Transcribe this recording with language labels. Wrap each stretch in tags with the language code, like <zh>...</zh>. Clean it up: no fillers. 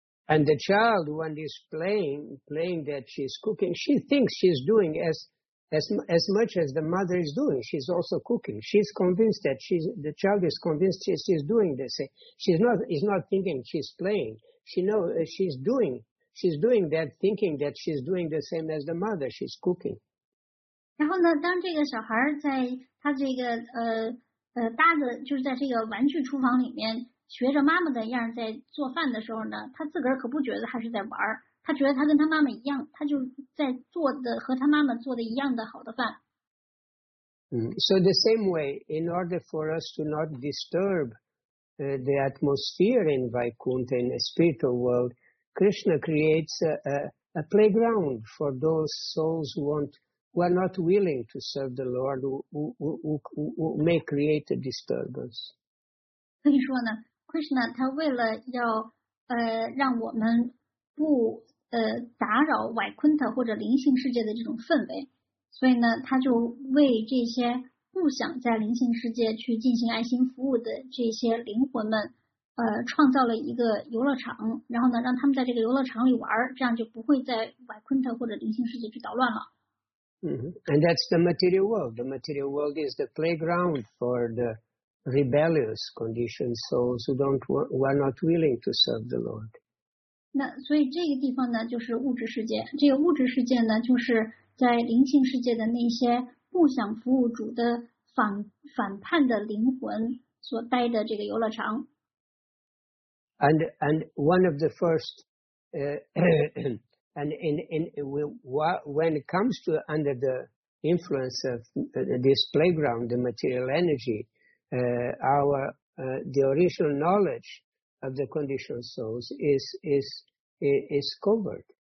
<en>And the child, when he's playing that she's cooking, she thinks she's doing as as much as the mother is doing, she's also cooking. She's convinced that she's, the child is convinced she's doing this. She's not thinking she's playing. She knows she's doing that thinking that she's doing the same as the mother. She's cooking.</en> <zh>然后呢，当这个小孩在他这个搭的，就是在这个玩具厨房里面学着妈妈的样在做饭的时候呢，他自个儿可不觉得他是在玩儿，他觉得他跟他妈妈一样，他就在做的和他妈妈做的一样的好的饭。</zh> <en>So the same way, in order for us to not disturb the atmosphere in Vaikuntha in the spiritual world, Krishna creates a playground for those souls who are not willing to serve the Lord, who may create a disturbance.</en> <zh>可以说呢， Krishna 他为了要让我们不打扰 Vaikuntha 或者灵性世界的这种氛围，所以呢，他就为这些不想在灵性世界去进行爱心服务的这些灵魂们创造了一个游乐场，然后呢，让他们在这个游乐场里玩，这样就不会在 Vaikuntha 或者灵性世界去捣乱了。</zh> <en>Mm-hmm. And that's the material world. The material world is the playground for the rebellious conditioned souls who are not willing to serve the Lord.</en> <zh>那所以这个地方呢，就是物质世界。这个物质世界呢，就是在灵性世界的那些不想服务主的反叛的灵魂所待的这个游乐场。</zh> <en>And one of the first And when it comes to under the influence of this playground, the material energy, the original knowledge of the conditioned souls is covered.</en>